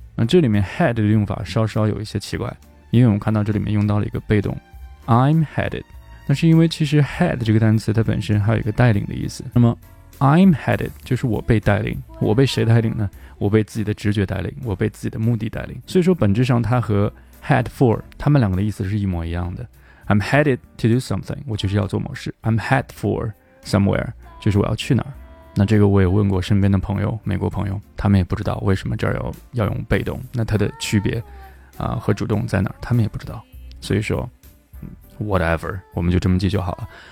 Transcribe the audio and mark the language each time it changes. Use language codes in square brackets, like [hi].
[zh] 那这里面 head 的用法稍稍有一些奇怪，因为我们看到这里面用到了一个被动 [en] I'm headed, [zh] 那是因为其实 head 这个单词它本身还有一个带领的意思。那么 [en] I'm headed [zh] 就是我被带领，我被谁带领呢？我被自己的直觉带领，我被自己的目的带领。所以说本质上它和 head for 他们两个的意思是一模一样的。 [en] I'm headed to do something, [zh] 我就是要做某事。 [en] I'm head for somewhere, [zh] 就是我要去哪儿。那这个我也问过身边的朋友，美国朋友，他们也不知道为什么这儿 要用被动，那它的区别和主动在哪儿，他们也不知道。所以说 whatever, 我们就这么记就好了。